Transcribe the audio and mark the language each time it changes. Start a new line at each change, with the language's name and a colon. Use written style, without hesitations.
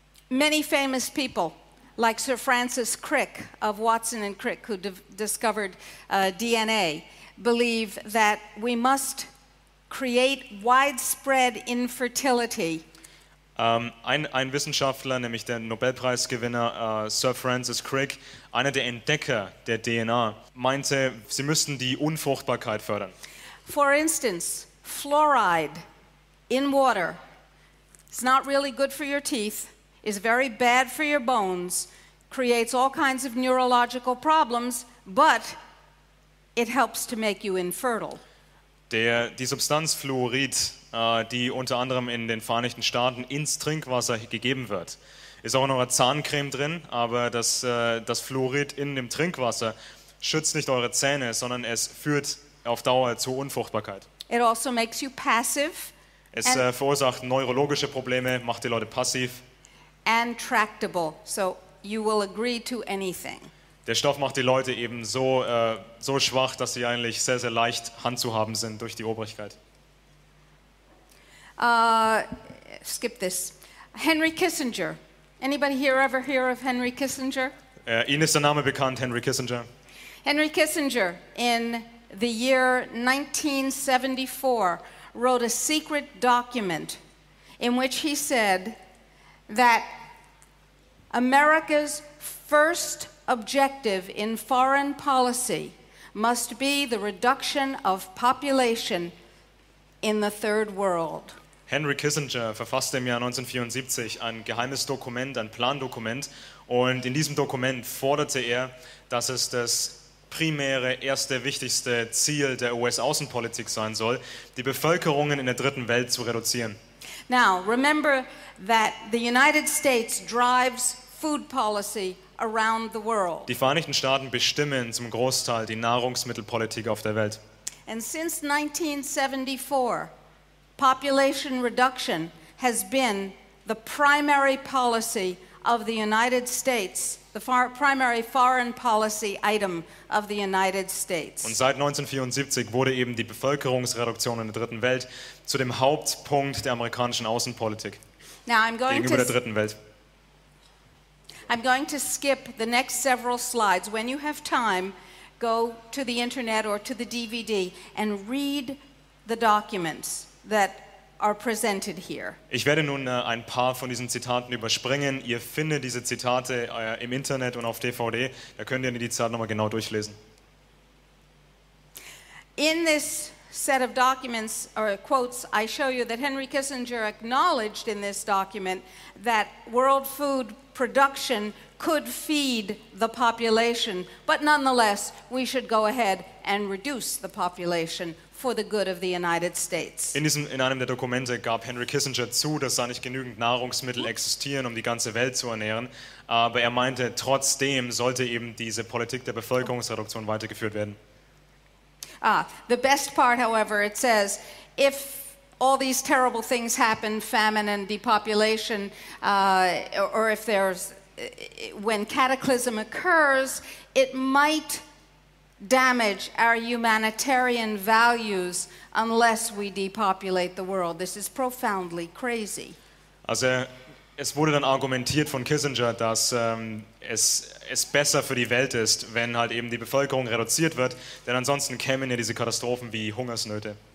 English: Many famous people, like Sir Francis Crick of Watson and Crick, who discovered DNA, believe that we must create widespread infertility.
German: Ein Wissenschaftler, nämlich der Nobelpreisgewinner Sir Francis Crick, einer der Entdecker der DNA, meinte, sie müssten die Unfruchtbarkeit fördern.
English: For instance, fluoride in water. It's not really good for your teeth, is very bad for your bones, creates all kinds of neurological problems, but it helps to make you infertile.
German: Die Substanz Fluorid, die unter anderem in den Vereinigten Staaten ins Trinkwasser gegeben wird, ist auch in eurer Zahncreme drin, aber das Fluorid in dem Trinkwasser schützt nicht eure Zähne, sondern es führt auf Dauer zu Unfruchtbarkeit.
English: It also makes you passive.
German: Es verursacht neurologische Probleme, macht die Leute passiv.
English: And tractable, so you will agree to anything.
German: Der Stoff macht die Leute eben so schwach, dass sie eigentlich sehr, sehr leicht handzuhaben sind durch die Obrigkeit.
English: Skip this. Henry Kissinger. Anybody here ever hear of Henry Kissinger?
German: Ihnen ist der Name bekannt, Henry Kissinger.
English: Henry Kissinger in the year 1974 wrote a secret document in which he said that America's first objective in foreign policy must be the reduction of population in the third world.
German: Henry Kissinger verfasste im Jahr 1974 ein geheimes Dokument, ein Plandokument, und in diesem Dokument forderte er, dass es das primäre, erste, wichtigste Ziel der US-Außenpolitik sein soll, die Bevölkerungen in der dritten Welt zu reduzieren.
English: Now, remember that the United States drives food policy around the world.
German: Die Vereinigten Staaten bestimmen zum Großteil die Nahrungsmittelpolitik auf der Welt.
English: And since 1974, population reduction has been the primary policy of the United States, the primary foreign policy item of the United States.
German: Und seit 1974 wurde eben die Bevölkerungsreduktion in der Dritten Welt zu dem Hauptpunkt der amerikanischen Außenpolitik.
English: Now I'm going
German: gegenüber der Dritten Welt.
English: I'm going to skip the next several slides. When you have time, go to the internet or to the DVD and read the documents that are presented here.
German: Ich werde nun ein paar von diesen Zitaten überspringen. Ihr findet diese Zitate im Internet und auf DVD. Da könnt ihr die Zitate nochmal genau durchlesen.
English: In this set of documents or quotes, I show you that Henry Kissinger acknowledged in this document that world food production could feed the population, but nonetheless, we should go ahead and reduce the population for the good of the United States.
German: In einem der Dokumente gab Henry Kissinger zu, dass da nicht genügend Nahrungsmittel existieren, um die ganze Welt zu ernähren, aber er meinte, trotzdem sollte eben diese Politik der Bevölkerungsreduktion weitergeführt werden.
English: The best part, however, it says, if all these terrible things happen, famine and depopulation, or if there's, when cataclysm occurs, it might damage our humanitarian values unless we depopulate the world. This is profoundly crazy.
German: Also, es wurde dann argumentiert von Kissinger, dass es besser für die Welt ist, wenn halt eben die Bevölkerung reduziert wird, denn ansonsten kämen ja diese Katastrophen wie Hungersnöte.